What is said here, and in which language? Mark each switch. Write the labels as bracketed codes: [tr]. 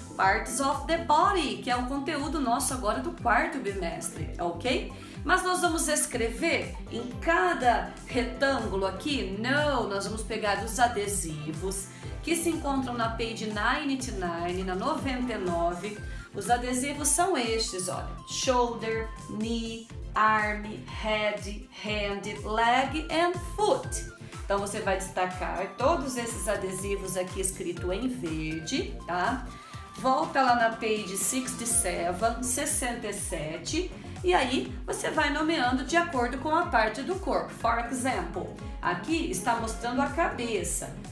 [en] Parts of the body, [pt] que é o conteúdo nosso agora do quarto bimestre, ok? Mas nós vamos escrever em cada retângulo aqui? Não, nós vamos pegar os adesivos que se encontram na page 99, na 99. Os adesivos são estes, olha. [en] Shoulder, knee, arm, head, hand, leg and foot. [pt] Então você vai destacar todos esses adesivos aqui escrito em verde, tá? Volta lá na page 67, e aí você vai nomeando de acordo com a parte do corpo. [en] For example, [pt] aqui está mostrando a cabeça.